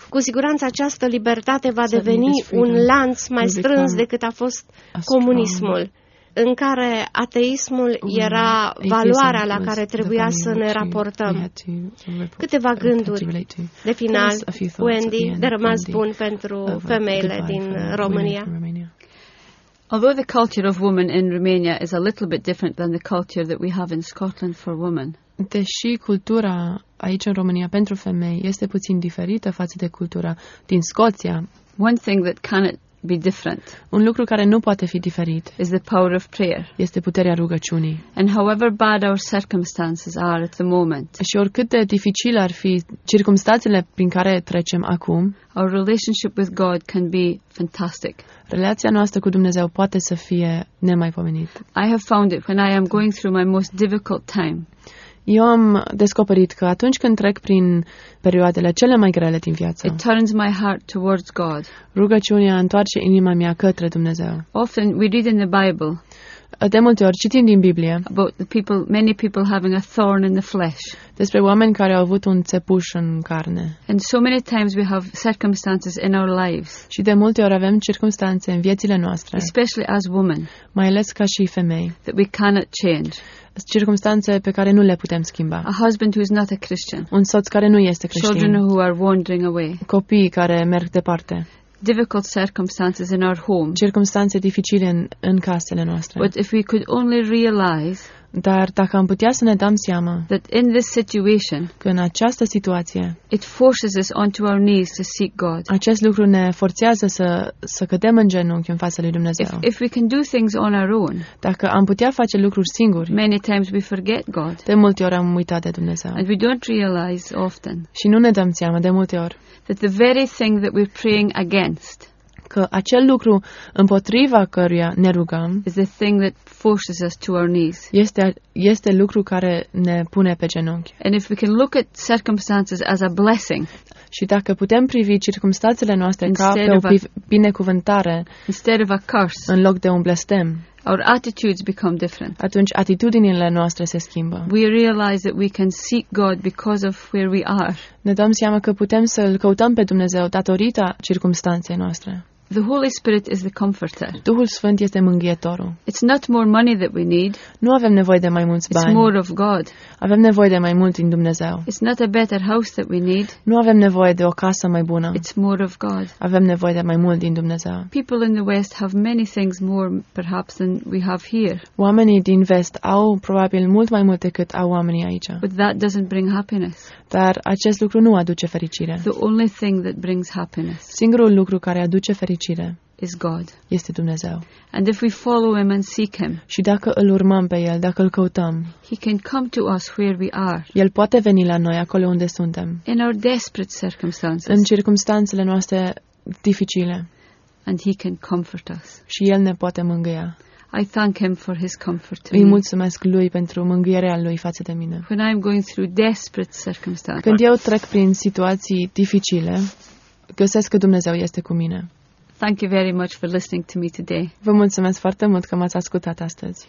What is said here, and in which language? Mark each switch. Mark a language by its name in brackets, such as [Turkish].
[Romanian] Cu siguranță această libertate va deveni un lanț mai strâns decât a fost comunismul, în care ateismul era valoarea la care trebuia să ne raportăm. Câteva gânduri de final, Wendy, de rămas bun pentru femeile din România. [English] Although the culture of women in Romania is a little bit different than the culture that we have in Scotland for women. [Romanian] Deși cultura aici în România pentru femei este puțin diferită față de cultura din Scoția. [English] One thing that cannot be different. [Romanian] Un lucru care nu poate fi diferit. [English] Is the power of prayer. [Romanian] Este puterea rugăciunii. [English] And however bad our circumstances are at the moment. [Romanian] Și oricât de dificil ar fi circumstanțele prin care trecem acum. [English] Our relationship with God can be fantastic. [Romanian] Relația noastră cu Dumnezeu poate să fie nemaipomenită. [English] I have found it when I am going through my most difficult time. [Romanian] Eu am descoperit că atunci când trec prin perioadele cele mai grele din viață, [English] it turns my heart towards God. [Romanian] Rugăciunea întoarce inima mea către Dumnezeu. [English] Often we read in the Bible. [Romanian] De multe ori citim din Biblie. [English] About the people, many people having a thorn in the flesh. [Romanian] Despre oameni care au avut un țepuș în carne. [English] And so many times we have circumstances in our lives. [Romanian] Și de multe ori avem circumstanțe în viețile noastre. [English] Especially as women. [Romanian] Mai ales ca și femei. [English] That we cannot change. [Romanian] Circumstanțe pe care nu le putem schimba. [English] A husband who is not a Christian. [Romanian] Un soț care nu este creștin. [English] Children who are wandering away. [Romanian] Copii care merg departe. [English] Difficult circumstances in our home. [Romanian] Circumstanțe dificile în casele noastre. [English] But if we could only realize. [Romanian] Dar dacă am putea să ne dăm seama. [English] That in this situation. [Romanian] Că în această situație. [English] It forces us onto our knees to seek God. [Romanian] Acest lucru ne forțează să cădem în genunchi în fața lui Dumnezeu. [English] If we can do things on our own. [Romanian] Dacă am putea face lucruri singuri. [English] Many times we forget God. [Romanian] De multe ori am uitat de Dumnezeu. [English] And we don't realize often. [Romanian] Și nu ne dăm seama de multe ori. [English] That the very thing that we're praying against. [Romanian] Că acel lucru împotriva căruia ne rugăm. [English] Is the thing that forces us to our knees. [Romanian] Este lucru care ne pune pe genunchi. [English] And if we can look at circumstances as a blessing. [Romanian] Și dacă putem privi circumstanțele noastre ca pe o binecuvântare, [English] instead of a curse, [Romanian] în loc de un blestem, [English] our attitudes become different. [Romanian] Atunci atitudinile noastre se schimbă. [English] We realize that we can seek God because of where we are. [Romanian] Ne dăm seama că putem să-L căutăm pe Dumnezeu datorită circumstanței noastre. [English] The Holy Spirit is the comforter. [Romanian] Duhul Sfânt este mângâietorul. [English] It's not more money that we need. [Romanian] Nu avem nevoie de mai mulți bani. [English] It's more of God. [Romanian] Avem nevoie de mai mult din Dumnezeu. [English] It's not a better house that we need. [Romanian] Nu avem nevoie de o casă mai bună. [English] It's more of God. [Romanian] Avem nevoie de mai mult din Dumnezeu. [English] People in the West have many things more perhaps than we have here. [Romanian] Oamenii din vest au probabil mult mai mult decât au oamenii aici. [English] But that doesn't bring happiness. [Romanian] Dar acest lucru nu aduce fericire. [English] The only thing that brings happiness. [Romanian] Singurul lucru care aduce fericire [English] is God. [Romanian] Este Dumnezeu. [English] And if we follow him and seek him, [Romanian] și dacă îl urmăm pe el, dacă îl căutăm, [English] he can come to us where we are. [Romanian] El poate veni la noi acolo unde suntem. [English] In our desperate circumstances. [Romanian] În circumstanțele noastre dificile. [English] And he can comfort us. [Romanian] Și el ne poate mângâia. [English] I thank him for his comfort. [Romanian] Îi mulțumesc lui pentru mângâierea lui față de mine. [English] When I'm going through desperate circumstances. [Romanian] Când eu trec prin situații dificile, găsesc că Dumnezeu este cu mine. [English] Thank you very much for listening to me today. [Romanian] Vă mulțumesc foarte mult că m-ați ascultat astăzi.